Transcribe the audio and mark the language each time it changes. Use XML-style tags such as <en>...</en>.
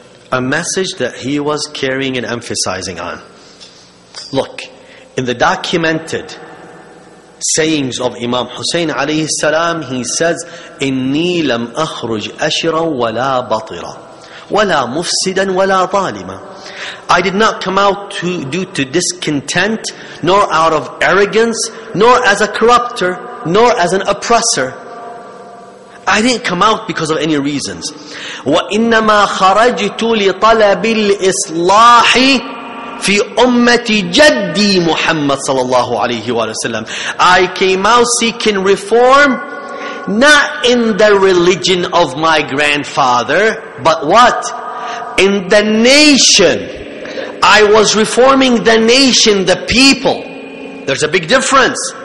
<en>A message that he was carrying and emphasizing on. Look, in the documented sayings of Imam Hussein alayhi salam, he says,</en> <ar>إِنِّي لَمْ أَخْرُجْ أَشِرًا وَلَا بَطِرًا وَلَا مُفْسِدًا وَلَا ظَالِمًا.</ar> <en>I did not come out due to discontent, nor out of arrogance, nor as a corrupter, nor as an oppressor. I didn't come out because of any reasons.</en> <ar>وَإِنَّمَا خَرَجْتُ لِطَلَبِ الْإِصْلَاحِ في أمتي جدي محمد صلى الله عليه وسلم.</ar> <en>I came out seeking reform, not in the religion of my grandfather, but what? In the nation. I was reforming the nation, the people. There's a big difference.</en>